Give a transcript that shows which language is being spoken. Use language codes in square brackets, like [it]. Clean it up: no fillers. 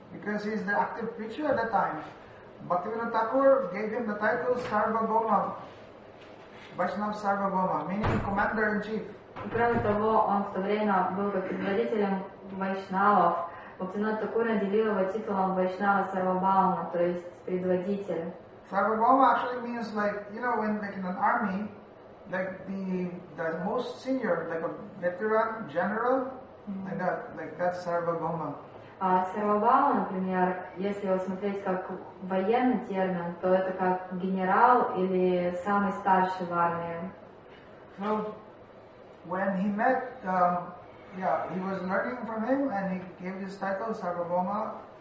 [en] Because he is the active preacher at that time. Bhaktivinoda Thakur gave him the title Sarvabhauma, Vaishnava Sarvabhauma, meaning commander-in-chief. [ru] Кроме того, он в то время был предводителем вайшнавов. Бхактивинода Такур наделил его титулом Вайшнава Сарвабхаума, то есть предводитель. [en] Sarvabhauma actually means like, you know, when like in an army, like the most senior, like a veteran general, like that's Sarvabhauma. [ru] Sarvabhauma, например, если его смотреть как военный термин, то это как генерал или самый старший в армии. [en] So when he met, he was learning from him and he gave his title Sarvabhauma.